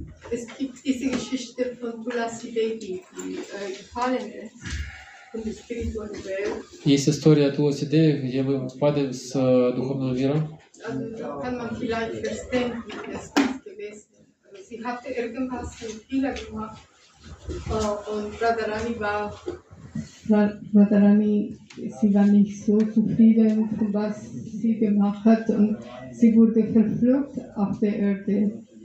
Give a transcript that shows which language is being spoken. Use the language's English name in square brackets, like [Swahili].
[German] Es gibt diese Geschichte von Tulasi Devi, die gefallen ist von der spirituellen Welt. [Russian] Есть история Туласи Деви, где мы падаем с духовного мира. [German] Kann man vielleicht verstehen, wie es ist gewesen. Sie hatte irgendwas für Fehler gemacht und Radharani war. Radharani, sie war nicht so zufrieden mit dem, was sie gemacht hat und sie wurde verflucht auf der Erde.